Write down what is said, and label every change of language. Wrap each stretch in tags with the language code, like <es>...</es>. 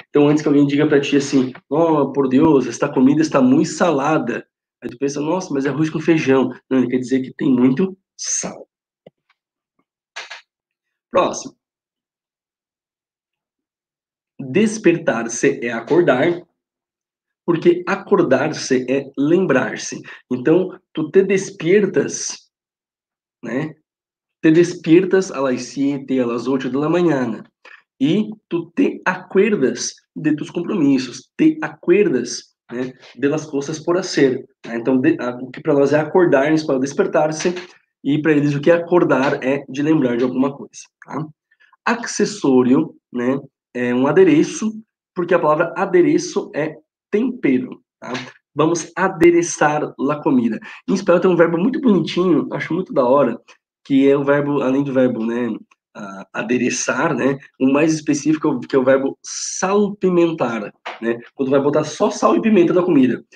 <pt>Então, antes que alguém diga para ti assim, oh, por Deus,</pt> <es>esta comida está muito salada,</es> <pt>aí tu pensa, nossa, mas é arroz com feijão, não, ele quer dizer que tem muito sal. Próximo. Despertar-se é acordar, porque acordar-se é lembrar-se. Então, tu</pt> <es>te despiertas,</es> <pt>né?</pt> <es>Te despiertas a las 7, a las 8</es> <pt>da manhã.</pt> <es>E tu te acuerdas de tus compromissos, te acuerdas, né? De las cosas por hacer.</es> <pt>Então, o que para nós é acordar, para despertar-se, e para eles o que é acordar é de lembrar de alguma coisa. Tá? Acessório, né? É um adereço, porque a palavra adereço é tempero. Tá?</pt> <es>Vamos adereçar la comida.</es> <pt>Em espanhol tem um verbo muito bonitinho, acho muito da hora, que é o verbo, além do verbo, né, adereçar, né, o mais específico, que é o verbo salpimentar, né, quando vai botar só sal e pimenta na comida.</pt>